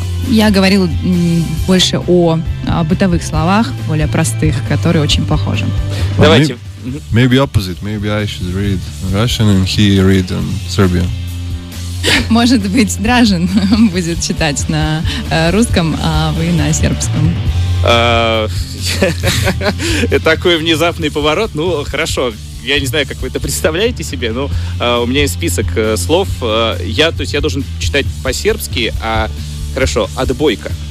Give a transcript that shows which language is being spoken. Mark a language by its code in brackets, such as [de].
[ru] Я говорила больше о бытовых словах, более простых, которые очень похожи. Давайте. [en] Maybe opposite. Maybe I should read Russian and he read in Serbian. [ru] Может быть, Дражин будет читать на русском, а вы на сербском. Такой внезапный поворот. Ну, хорошо. Я не знаю, как вы это представляете себе, но у меня есть список слов. Я должен читать по-сербски, а хорошо, отбойка.